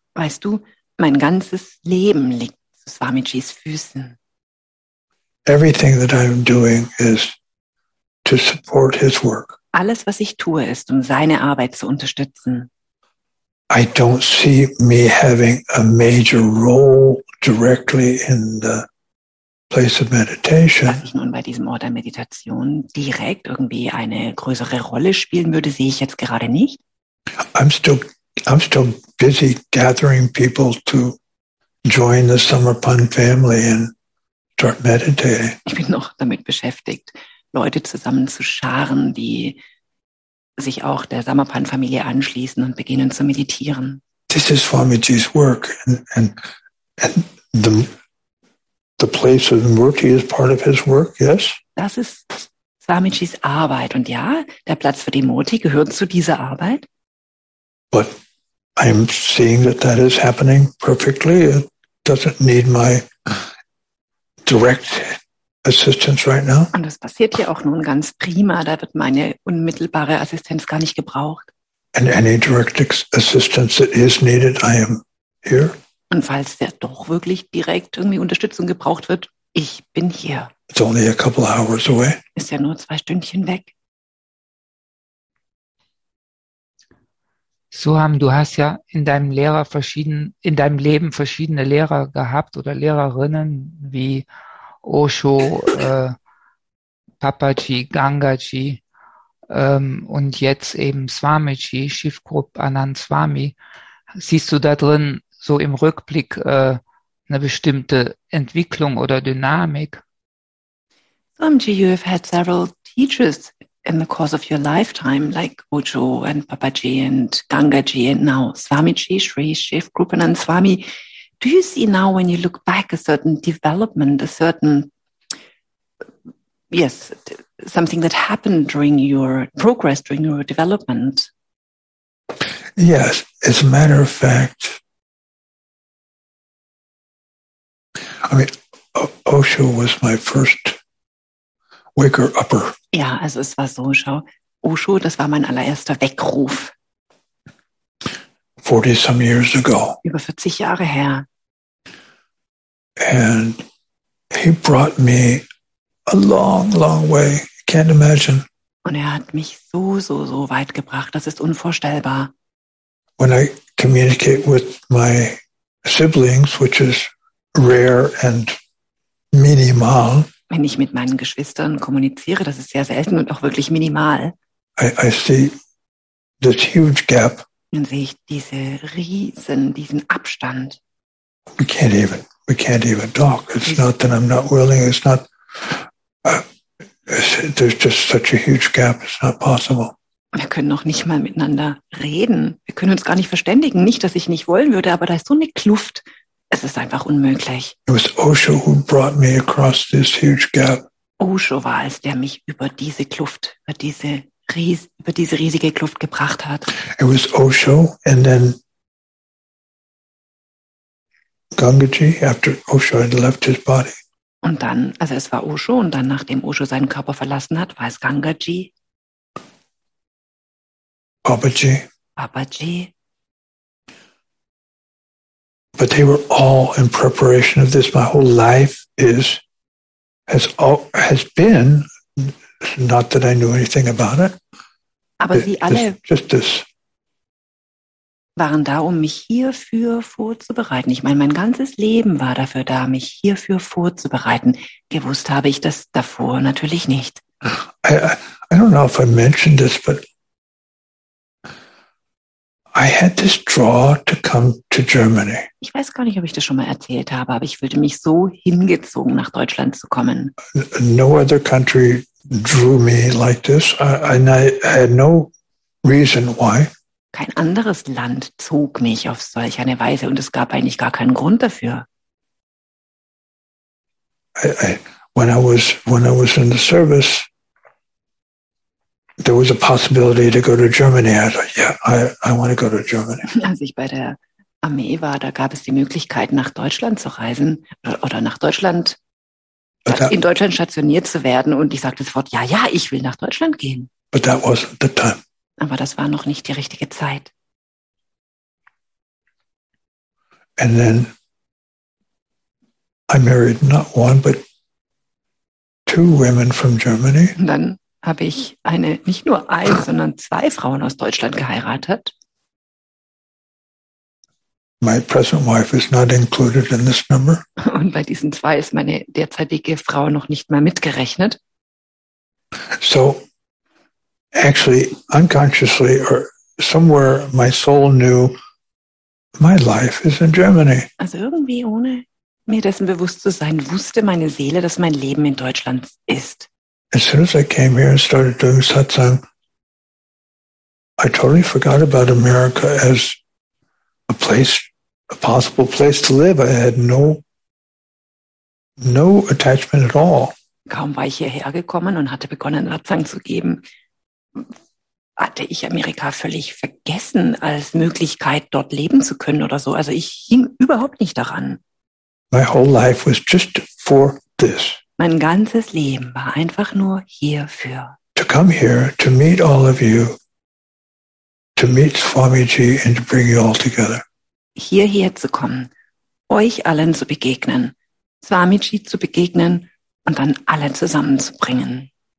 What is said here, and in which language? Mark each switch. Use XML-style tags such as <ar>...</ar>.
<de>Weißt du, mein ganzes Leben liegt zu Swamiji's Füßen.</de> <en>Everything that I'm doing is to support his work.</en> <de>Alles, was ich tue, ist, um seine Arbeit zu unterstützen.</de> <en>I don't see me having a major role directly in the place of meditation.</en> <de>Dass ich nun bei diesem Ort der Meditation direkt irgendwie eine größere Rolle spielen würde, sehe ich jetzt gerade nicht.</de> <en>I'm still busy gathering people to join the Summerpun family and start meditating.</en> <de>Ich bin noch damit beschäftigt, Leute zusammen zu scharen, die sich auch der Samapan-Familie anschließen und beginnen zu meditieren.</de> <en>This is Swamiji's work, and the place of Murti is part of his work, yes?</en> <de>Das ist Swamiji's Arbeit, und ja, der Platz für die Murti gehört zu dieser Arbeit.</de> <en>But I'm seeing that is happening perfectly. It doesn't need my direct assistance right now.</en> <de>Und das passiert hier auch nun ganz prima. Da wird meine unmittelbare Assistenz gar nicht gebraucht.</de> <en>And any direct assistance that is needed, I am here.</en> <de>Und falls der doch wirklich direkt irgendwie Unterstützung gebraucht wird, ich bin hier.</de> <en>It's only a couple hours away.</en> <de>Ist ja nur 2 Stündchen weg. Suham, du hast ja in deinem Leben verschiedene Lehrer gehabt oder Lehrerinnen wie Osho, Papaji, Gangaji, und jetzt eben Swamiji, Shiv Group Anand Swami. Siehst du da drin so im Rückblick eine bestimmte Entwicklung oder Dynamik?</de> <en>Swamiji, you have had several teachers in the course of your lifetime, like Osho and Papaji and Gangaji, and now Swamiji, Sri Shiv Group Anand Swami. Do you see now, when you look back, a certain development, a certain, yes, something that happened during your progress, during your development? Yes, as a matter of fact, I mean, Osho was my first waker-upper.</en> <de>Ja, also es war so, schau, Osho, das war mein allererster Weckruf.</de> <en>40-some years ago.</en> <de>Über 40 Jahre her.</de> <en>And he brought me a long, long way. Can't imagine.</en> <de>Und hat mich so, so, so weit gebracht. Das ist unvorstellbar.</de> <en>When I communicate with my siblings, which is rare and minimal.</en> <de>wenn ich mit meinen Geschwistern kommuniziere, das ist sehr selten und auch wirklich minimal.</de> <en>I see this huge gap.</en> <de>Dann sehe ich diesen Abstand.</de> <en>We can't even talk. It's not that I'm not willing. It's not. There's just such a huge gap. It's not possible.</en> <de>Wir können noch nicht mal miteinander reden. Wir können uns gar nicht verständigen. Nicht, dass ich nicht wollen würde, aber da ist so eine Kluft. Es ist einfach unmöglich.</de> <en>It was Osho who brought me across this huge gap.</en> <de>Osho war es, der mich über diese Kluft, über diese riesige Kluft gebracht hat.</de> <en>It was Osho and then Gangaji after Osho had left his body.</en> <de>Und dann, also es war Osho und dann, nachdem Osho seinen Körper verlassen hat, war es Gangaji. Babaji.</de> <en>But they were all in preparation of this. My whole life has been, not that I knew anything about it.</en> <de>Aber sie alle</de> <en>just this.</en> <de>Waren da, um mich hierfür vorzubereiten. Ich meine, mein ganzes Leben war dafür da, mich hierfür vorzubereiten. Gewusst habe ich das davor natürlich nicht.</de> <en>I don't know if I mentioned this, but I had this draw to come to Germany.</en> <de>Ich weiß gar nicht, ob ich das schon mal erzählt habe, aber ich fühlte mich so hingezogen, nach Deutschland zu kommen.</de> <en>No other country drew me like this. I had no reason why.</en> <de>Kein anderes Land zog mich auf solch eine Weise und es gab eigentlich gar keinen Grund dafür.</de> <en>When I was in the service, there was a possibility to go to Germany. I thought, I want to go to Germany.</en> <de>Als ich bei der Armee war, da gab es die Möglichkeit, nach Deutschland zu reisen oder nach Deutschland, in Deutschland stationiert zu werden. Und ich sagte sofort, ja, ich will nach Deutschland gehen.</de> <en>But that wasn't the time.</en> <de>Aber das war noch nicht die richtige Zeit.</de> <en>And then I married not one, but two women from Germany.</en> <de>Und dann habe ich nicht nur eine, sondern zwei Frauen aus Deutschland geheiratet.</de> <en>My present wife is not included in this number.</en> <de>Und bei diesen zwei ist meine derzeitige Frau noch nicht mal mitgerechnet.</de> <en>So, actually, unconsciously or somewhere, my soul knew my life is in Germany.</en> <de>Also irgendwie ohne mir dessen bewusst zu sein, wusste meine Seele, dass mein Leben in Deutschland ist.</de> <en>As soon as I came here and started doing satsang, I totally forgot about America as a place, a possible place to live. I had no attachment at all.</en> <de>Kaum war ich hierher gekommen und hatte begonnen, Satsang zu geben, hatte ich Amerika völlig vergessen als Möglichkeit, dort leben zu können oder so. Also ich hing überhaupt nicht daran.</de> <en>My whole life was just for this.</en> <de>Mein ganzes Leben war einfach nur hierfür.</de> <en>To come here, to meet all of you, to meet Swamiji and to bring you all together.</en> <de>Hierher zu kommen, euch allen zu begegnen, Swamiji zu begegnen und dann alle zusammenzubringen.</de>